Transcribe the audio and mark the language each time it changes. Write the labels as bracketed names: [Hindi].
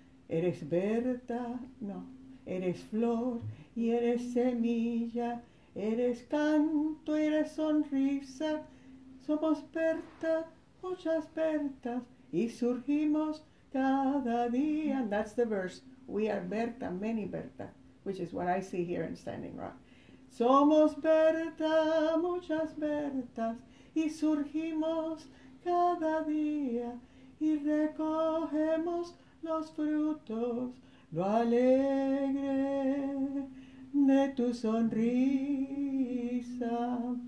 [Spanish] Eres Berta, no, eres flor y eres semilla. Eres canto, eres sonrisa, somos Berta, muchas Bertas, y surgimos cada día. [English] And that's the verse, we are Berta, many Berta, which is what I see here in Standing Rock. [Spanish] Somos Berta, muchas Bertas, y surgimos cada día, y recogemos los frutos, lo alegre de tu sonrisa.